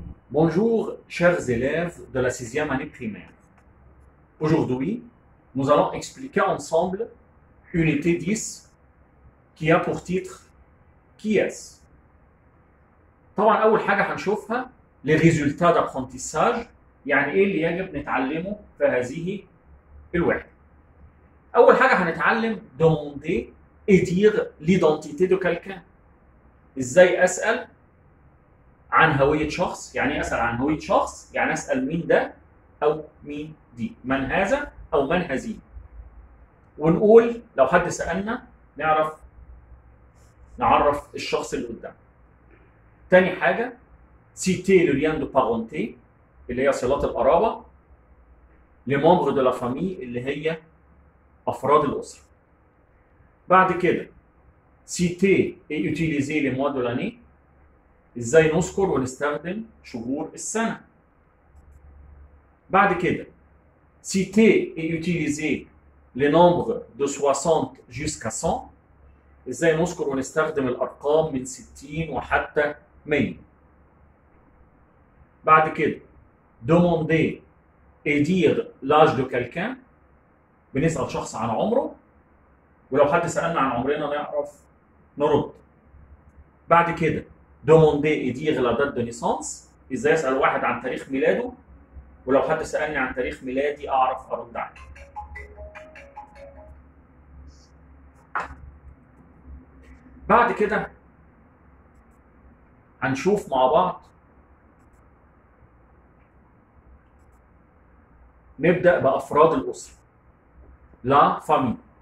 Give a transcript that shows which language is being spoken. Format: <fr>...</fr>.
<fr>Bonjour, chers élèves de la sixième année primaire. Aujourd'hui, nous allons expliquer ensemble unité 10 qui a pour titre Qui est-ce?</fr> <ar>طبعا أول حاجة هنشوفها</ar> <fr>les résultats d'apprentissage,</fr> <ar>يعني إيه اللي يجب نتعلمه في هذه الوحدة. أول حاجة هنتعلم</ar> <fr>demander et dire l'identité de quelqu'un.</fr> <ar>إزاي أسأل عن هوية شخص؟ يعني أسأل عن هوية شخص؟ يعني أسأل مين ده أو مين دي؟ من هذا أو من هذه؟ ونقول لو حد سألنا نعرف الشخص اللي قدام. تاني حاجة</ar> <fr>citer le lien de parenté</fr> <ar>اللي هي صلة القرابة</ar> <fr>les membres de la famille</fr> <ar>اللي هي أفراد الأسرة. بعد كده</ar> <fr>citer et utiliser les mois de l'année.</fr> <ar>إزاي نذكر ونستخدم شهور السنة. بعد كده</ar> <fr>citer et utiliser les nombres de 60 jusqu'à 100.</fr> <ar>إزاي نذكر ونستخدم الأرقام من 60 وحتى 100. بعد كده</ar> <fr>demander et dire l'âge de quelqu'un.</fr> <ar>بنسأل شخص عن عمره ولو حد سألنا عن عمرنا نعرف نرد. بعد كده</ar> <fr>demander et dire la date de naissance.</fr> <ar>إزاي أسأل واحد عن تاريخ ميلاده ولو حد سألني عن تاريخ ميلادي أعرف أرد عليه. بعد كده هنشوف مع بعض نبدأ بأفراد الأسرة</ar> <fr>la famille.</fr>